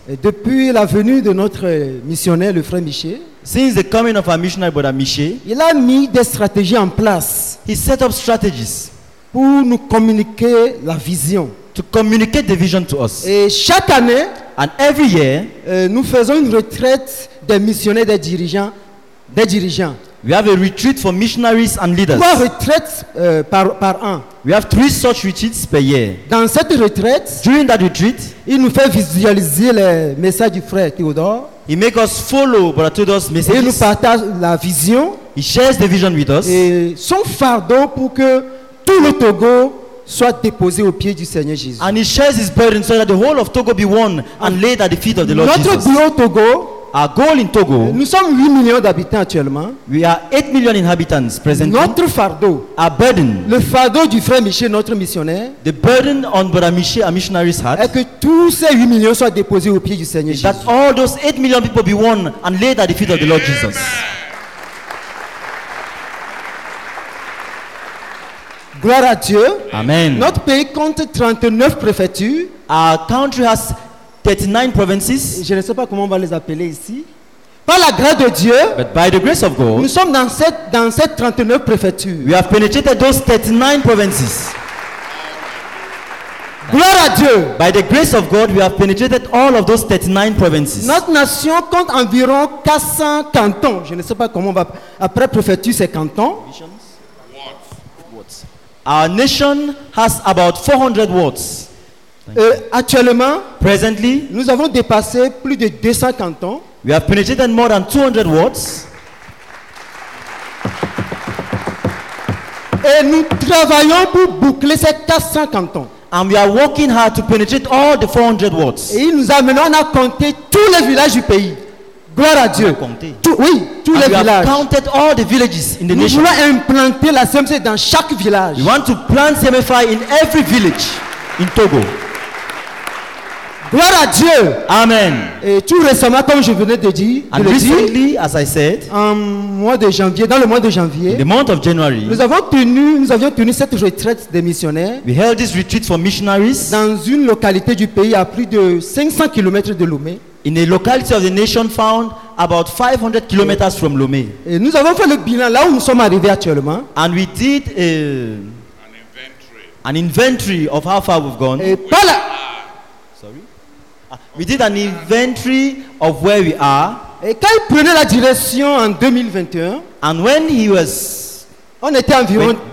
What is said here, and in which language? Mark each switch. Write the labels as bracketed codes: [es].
[fr] Et depuis la venue de notre missionnaire, le frère Miché. [en] Since the coming of our missionary brother Miché. [fr] Il a mis des stratégies en place. [en] He set up strategies. [fr] Pour nous communiquer la vision. [en] To communicate the vision to us. [fr] Et chaque année. [en] And every year. [fr] Nous faisons une retraite des missionnaires, des dirigeants. Des dirigeants. [en] We have a retreat for missionaries and leaders. [fr] Trois retraites par an. [en] We have three such retreats per year. [fr] Dans cette retraite, [en] during that retreat, [fr] il nous fait visualiser les messages du frère Théodore. [en] He makes us follow Brother Theodore's messages. [fr] Il nous partage la vision. [en] He shares the vision with us. [fr] Et son fardeau pour que tout le Togo soit déposé aux pieds du Seigneur Jésus. [en] And he shares his burden so that the whole of Togo be won and laid at the feet of the Lord [fr] Notre [en] Jesus. [fr] Notre Togo. [en] Our goal in Togo. [fr] Nous sommes 8 millions d'habitants actuellement. [en] We are 8 million inhabitants present. [fr] Notre fardeau. [en] Our burden. [fr] Le fardeau du frère Miché, notre missionnaire. [en] The burden on Brother Miché, our missionary's heart. [fr] Est que tous ces 8 millions soient déposés aux pieds du Seigneur Jésus. [en] That all those 8 million people be won and laid at the feet of the Lord Jesus. [fr] Gloire à Dieu. Amen. Notre pays compte 39 préfectures. [en] Our country has 39 provinces. [fr] Je ne sais pas comment on va les appeler ici. Par la grâce de Dieu. [en] But by the grace of God. [fr] Nous sommes dans cette 39 préfectures. [en] We have penetrated those 39 provinces. [fr] Gloire à Dieu. [en] By the grace of God, we have penetrated all of those 39 provinces. [fr] Notre nation compte environ 400 cantons. Je ne sais pas comment on va après préfecture c'est canton. [en] Our nation has about 400 wards. [fr] Actuellement, [en] presently, [fr] nous avons dépassé plus de 200 cantons. [en] We have penetrated more than 200 wards. [fr] Et nous travaillons pour boucler ces 400 cantons. [en] And we are working hard to penetrate all the 400 wards. [fr] Et il nous a mené à compter tous les villages du pays. Gloire à Dieu. Tous les villages. [en] We have counted all the villages in the [fr] nous [en] nation. [fr] Nous voulons implanter la CMF dans chaque village. [en] We want to plant CMF in every village in Togo. [fr] Gloire à Dieu. Amen. Et tout récemment, comme je venais de dire, [en] and recently, as I said, [fr] dans le mois de janvier, [en] in the month of January, [fr] nous avions tenu cette retraite des missionnaires. [en] We held this retreat for missionaries [fr] dans une localité du pays à plus de 500 km de Lomé. [en] In a locality of the nation found about 500 kilometers from Lomé. [fr] Et nous avons fait le bilan là où nous sommes arrivés actuellement. [en] And we did an inventory of how far we've gone. We did an inventory of where we are. [fr] Et quand il prenait la direction en 2021, [en] and when he was, [fr] on était environ,